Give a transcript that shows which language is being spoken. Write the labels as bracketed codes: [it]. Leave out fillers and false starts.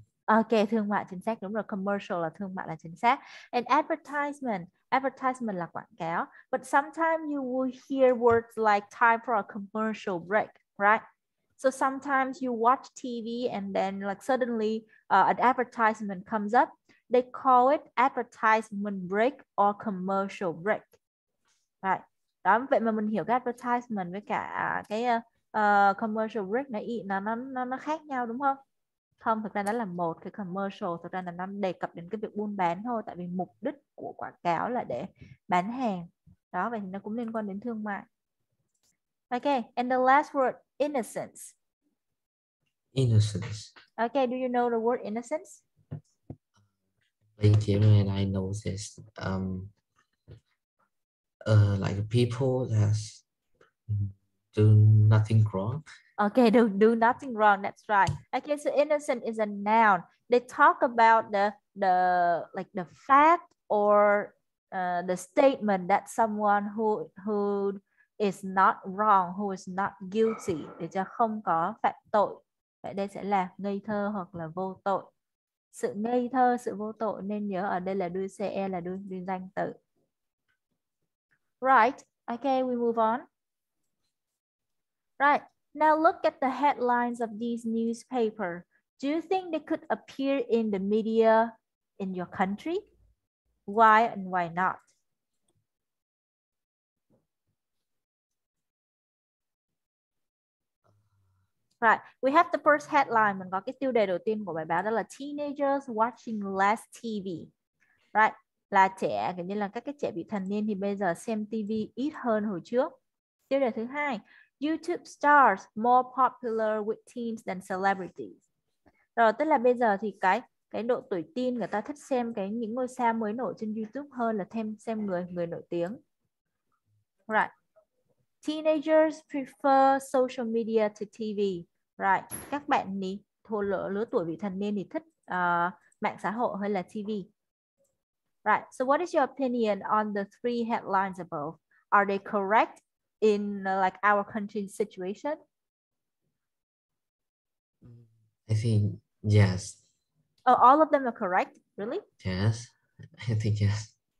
[en] Ok, [vi] thương mại chính xác, đúng rồi, commercial là thương mại là chính xác. And advertisement là quảng cáo. [en] But sometimes you will hear words like time for a commercial break, right? So sometimes you watch TV and then like suddenly an advertisement comes up. They call it advertisement break or commercial break, right? [vi] Đó, vậy mà mình hiểu cái advertisement với cả commercial break này, nó khác nhau, đúng không? Không, thực ra nó là một cái commercial, thực ra là nó đề cập đến cái việc buôn bán thôi, tại vì mục đích của quảng cáo là để bán hàng. Đó, vậy thì nó cũng liên quan đến thương mại. [en] Okay, and the last word, innocence. Innocence. Okay, do you know the word innocence? Thank you, and I know this. Like people that do nothing wrong. Okay, do nothing wrong, that's right. Okay, so innocent is a noun. They talk about the fact or the statement that someone who is not wrong, who is not guilty, [vi] để cho không có phạm tội. Vậy đây sẽ là ngây thơ hoặc là vô tội. Sự ngây thơ, sự vô tội, nên nhớ ở đây là đuôi CE là đuôi danh từ. [en] Right, okay, we move on. Right. Now look at the headlines of these newspaper. Do you think they could appear in the media in your country? Why and why not? Right. We have the first headline. [vi] Mình có cái tiêu đề đầu tiên của bài báo đó là [en] teenagers watching less TV. Right. [vi] Là trẻ, kiểu như là các cái trẻ vị thành niên thì bây giờ xem TV ít hơn hồi trước. Tiêu đề thứ hai, [en] YouTube stars more popular with teens than celebrities. [vi] Rồi tức là bây giờ thì cái độ tuổi teen người ta thích xem cái những ngôi sao mới nổi trên YouTube hơn là xem người nổi tiếng. [en] Right. Teenagers prefer social media to TV. Right. [vi] Các bạn ní lứa tuổi vị thành niên thì thích mạng xã hội hơn là TV. [en] Right. So what is your opinion on the three headlines above? Are they correct in like our country's situation? I think yes. Oh, all of them are correct? Really? Yes. I think yes.